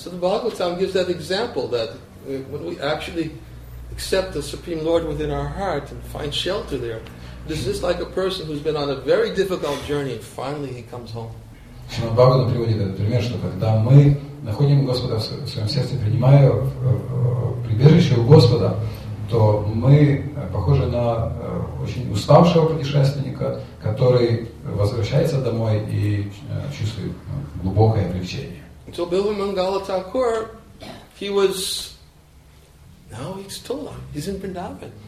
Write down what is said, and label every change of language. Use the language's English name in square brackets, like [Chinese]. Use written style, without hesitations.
[English] So the Bhagavatam gives that example that when we actually accept the Supreme Lord within our heart and find shelter there, this is like a person who's been on a very difficult journey and finally he comes home. [Russian] Шримад Бхагаватам приводит этот пример, что когда мы находим Господа в своем сердце, принимая прибежище у Господа, то мы похожи на очень уставшего путешественника, который возвращается домой и чувствует глубокое облегчение. [English] So Bilwa Mangala Thakur, he was, now he's told, he's in Vrindavan.